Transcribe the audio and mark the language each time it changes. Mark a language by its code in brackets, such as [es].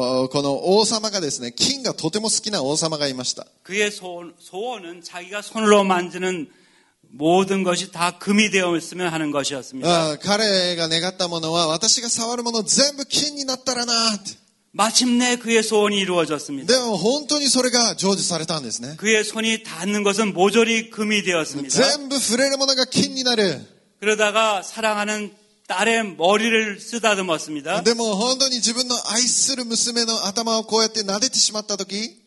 [ja] この王様がですね金がとても好きな王様がいました [ko] 그의소원은자기가손으로만드는모든것이다금이되었으면하는것이었습니다 [ja] 彼が願ったものは私が触るもの全部金になったらな [ko] 마침내그의소원이이루어졌습니다 [ja] でも本当にそれが成就されたんですね [ko] 그의손이닿는것은모조리금이되었습니다 [ja] 全部触れるものが金になる [ko] 그러다가사랑하는딸의머리를쓰다듬었습니다 [ja] でも本当に自分の愛する娘の頭をこうやって撫でてしまった時